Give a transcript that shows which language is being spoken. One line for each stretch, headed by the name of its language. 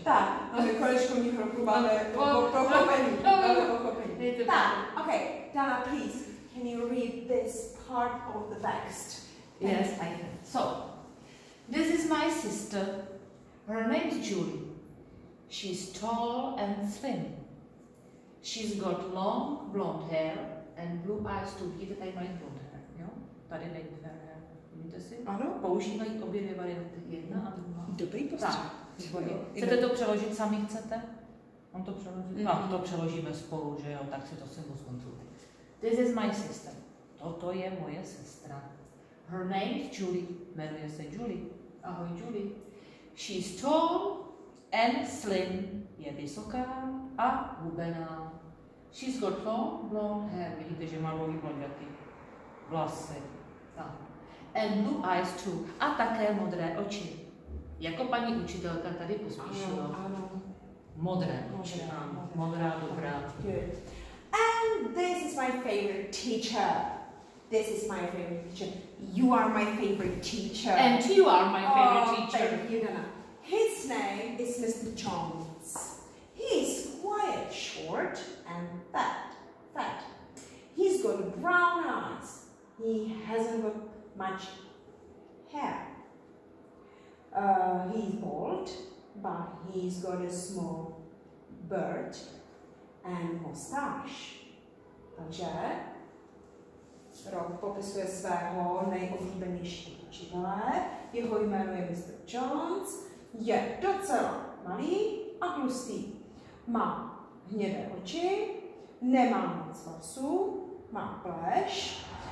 Czech: Tak, no, že kolečkovní hroku máme pochopení. Tak, ok.
English: Dana, please, can you read this part of the text? Yes, I can. So, this is my sister. Her name is Julie. She's tall and slim. She's got long blonde hair and blue eyes to give it a my blonde hair.
Czech: Tady nejde, si? Ano. Používají obě dvě varianty, jedna a druhá. Dobrý postřeh. Chcete to přeložit sami, chcete? On to přeloží? No, to přeložíme spolu, že jo, tak si to si musím zkontrolovat.
English: This is my sister.
Czech: Toto je moje sestra.
English: Her name is Julie.
Czech: Jmenuje se Julie. Ahoj, Julie.
English: She's tall and slim.
Czech: Je vysoká a hubená.
English: She's got long blonde hair.
Czech: Vidíte, že má dlouhý blondětý. Vlasy.
English: And blue eyes too.
Czech: A také modré oči. Jako paní učitelka tady pospíšila. Ano, ano. Modré oči. Modrá, dobrá.
English: And this is my favorite teacher. This is my favorite teacher. You are my favorite teacher. And you are my favorite teacher. Thank you, Nana. His name is Mr. Jones. He's quite short and fat. He's got brown eyes. He hasn't got much hair. He's bald, but he's got a small beard and moustache.
Czech: Takže Rob popisuje svého nejoblíbenějšího učitele. Jeho jméno je Mr. Jones. Je docela malý a tlustý. Má hnědé oči, nemá moc vlasů, má pleš.